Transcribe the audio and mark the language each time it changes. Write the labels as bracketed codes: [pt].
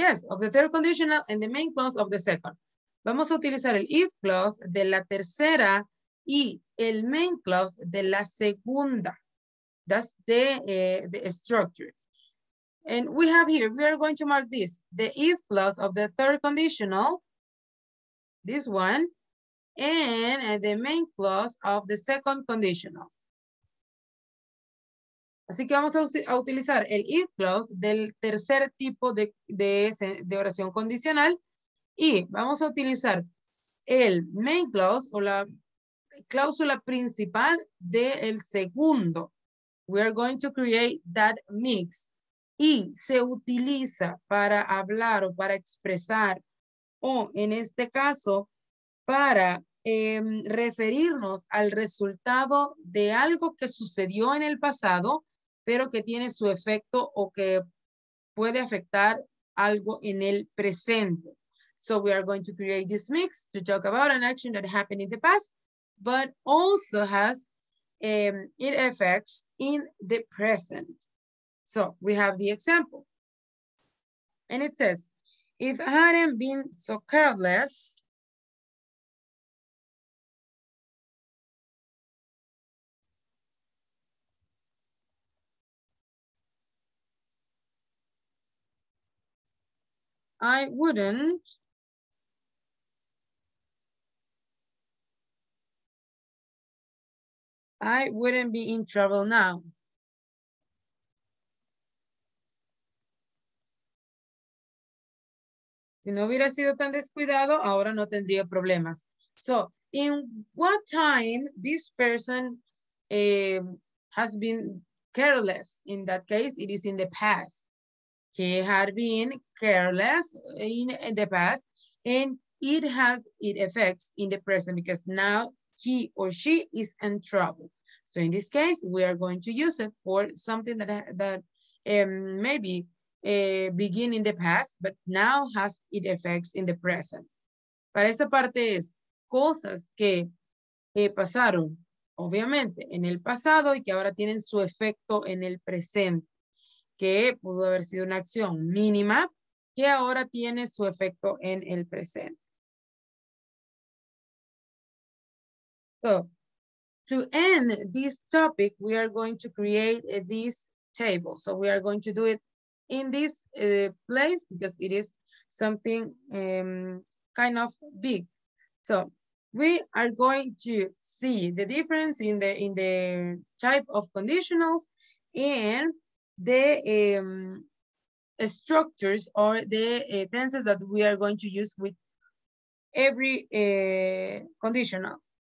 [en] Of the third conditional and the main clause of the second. [es] Vamos a utilizar el if clause de la tercera y el main clause de la segunda. [en] That's the structure. And we have here, we are going to mark this, the if clause of the third conditional, this one, and the main clause of the second conditional. [es] Así que vamos a utilizar el if clause del tercer tipo de oración condicional y vamos a utilizar el main clause o la cláusula principal del segundo. [en] We are going to create that mix. [es] Y se utiliza para hablar o para expresar o en este caso para referirnos al resultado de algo que sucedió en el pasado, pero que tiene su efecto o que puede afectar algo en el presente. [en] So we are going to create this mix to talk about an action that happened in the past, but also has it effects in the present. So we have the example. And it says, if I hadn't been so careless, I wouldn't be in trouble now. Si no hubiera sido tan descuidado, ahora no tendría problemas. So, in what time this person has been careless? In that case, it is in the past. He had been careless in the past, and it has its effects in the present because now he or she is in trouble. So in this case, we are going to use it for something that maybe began in the past, but now has its effects in the present. [es] Para esa parte es cosas que pasaron, obviamente, en el pasado y que ahora tienen su efecto en el presente. Que pudo haber sido una acción mínima que ahora tiene su efecto en el presente. So, [en] to end this topic, we are going to create this table. So we are going to do it in this place because it is something kind of big. So we are going to see the difference in the type of conditionals and the structures or the tenses that we are going to use with every conditional.